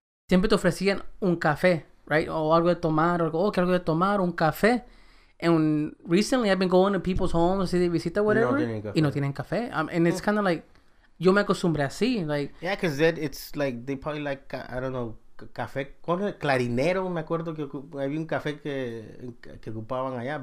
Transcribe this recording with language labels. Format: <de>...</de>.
<es>Siempre te ofrecían un café, right? O algo de tomar, o oh, que algo de tomar, un café.</es> <en>And recently, I've been going to people's homes to see the visita, whatever,</en> <es>no tienen café. Y no tienen café.</es> <en>And it's kind of like,</en> <es>yo me acostumbré así,</es> <en>like. Yeah, because it's like they probably like I don't know.</en> <es>Café con el clarinero, me acuerdo que había un café que ocupaban allá.</es>